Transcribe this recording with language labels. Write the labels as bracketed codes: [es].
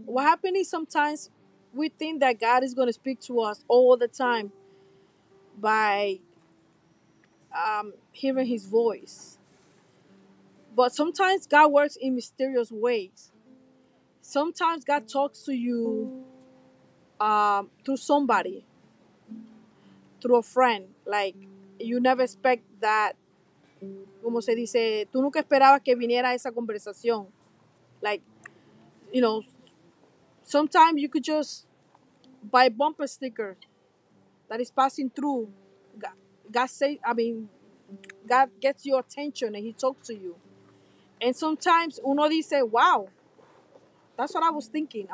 [en] What happens is sometimes we think that God is going to speak to us all the time by hearing His voice. But sometimes God works in mysterious ways. Sometimes God talks to you through somebody, through a friend. Like, you never expect that. [es] Como se dice, tú nunca esperabas que viniera esa conversación. [en] Like, you know, sometimes you could just buy a bumper sticker that is passing through. God gets your attention and He talks to you. And sometimes [es] uno dice, [en] wow, that's what I was thinking.